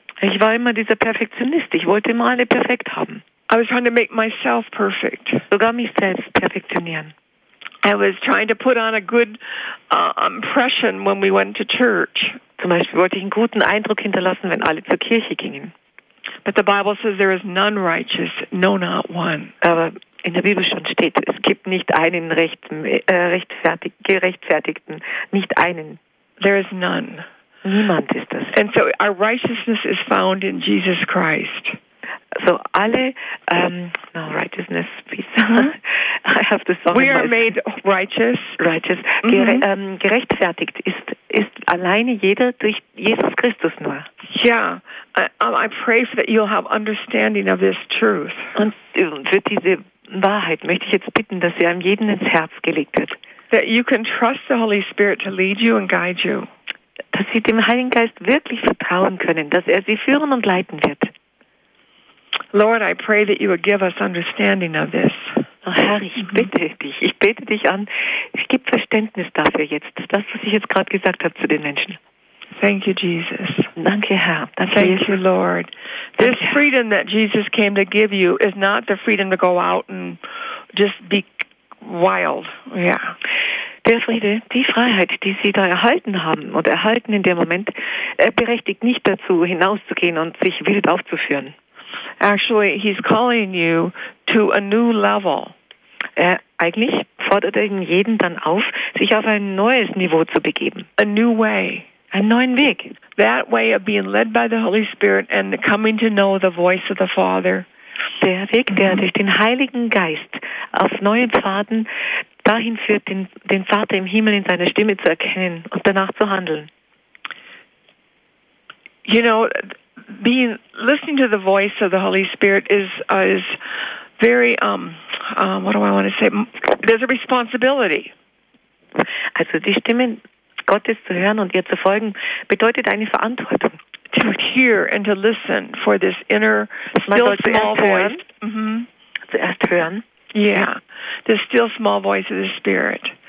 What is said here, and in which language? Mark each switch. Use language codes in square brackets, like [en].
[de] Ich war immer dieser Perfektionist, ich wollte immer alle perfekt haben. [en] I was trying to make myself perfect. [de] Sogar mich selbst perfektionieren. [en] I was trying to put on a good impression when we went to church. [de] Zum Beispiel wollte ich einen guten Eindruck hinterlassen, wenn alle zur Kirche gingen. [en] But the Bible says there is none righteous, no not one. [de] Aber in der Bibel schon steht, es gibt nicht einen gerechtfertigten, nicht einen. [en] There is none. [de] Niemand ist das. [en] And so our righteousness is found in Jesus Christ. So alle righteousness, please. I have the song. We are made righteous. Righteous. Mm-hmm. [de] Gerechtfertigt ist alleine jeder durch Jesus Christus nur. [en] Yeah, I pray for that you'll have understanding of this truth. [de] Und für diese Wahrheit möchte ich jetzt bitten, dass sie einem jeden ins Herz gelegt wird. [en] That you can trust the Holy Spirit to lead you and guide you. [de] Dass sie dem Heiligen Geist wirklich vertrauen können, dass er sie führen und leiten wird. [en] Lord, I pray that you would give us understanding of this. [de] Oh Herr, ich bete dich an. Ich gebe Verständnis dafür jetzt, das, was ich jetzt gerade gesagt habe zu den Menschen. [en] Thank you, Jesus. [de] Danke, Herr. Danke, [en] thank Jesus. You, Lord. This [de] Danke, [en] freedom that Jesus came to give you is not the freedom to go out and just be wild. Yeah. [de] Der Friede, die Freiheit, die Sie da erhalten haben und erhalten in dem Moment, berechtigt nicht dazu, hinauszugehen und sich wild aufzuführen. [en] Actually, he's calling you to a new level. [de] Eigentlich fordert er jeden dann auf, sich auf ein neues Niveau zu begeben. [en] A new way. [de] Einen neuen Weg. [en] That way of being led by the Holy Spirit and coming to know the voice of the Father. [de] Der Weg, der durch den Heiligen Geist auf neuen Pfaden dahin führt, den Vater im Himmel in seiner Stimme zu erkennen und danach zu handeln. [en] You know, being listening to the voice of the Holy Spirit is very what do I want to say? There's a responsibility. [de] Also die Stimme Gottes zu hören und ihr zu folgen bedeutet eine Verantwortung. [en] To hear and to listen for this inner, still small voice. [de] Zuerst hören. [en] Yeah, the still small voice of the Spirit.